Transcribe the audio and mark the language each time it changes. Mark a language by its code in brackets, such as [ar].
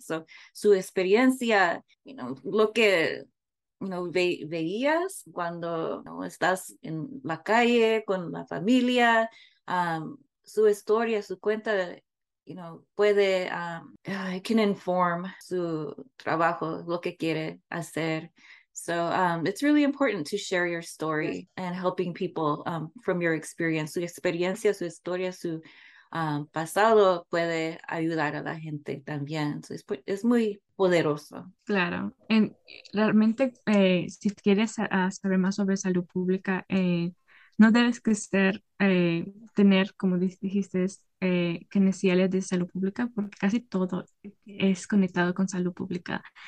[es] So, su experiencia, lo que veías cuando estás en la calle con la familia, su historia, su cuenta, puede, can inform su trabajo, lo que quiere hacer. [en] So, it's really important to share your story and helping people from your experience. [es] Su experiencia, su historia, su pasado puede ayudar a la gente también. So es muy poderoso. Claro, en, realmente si quieres a saber más sobre salud pública, no debes que ser, tener, como dijiste, credenciales de salud pública, porque casi todo es conectado con salud pública.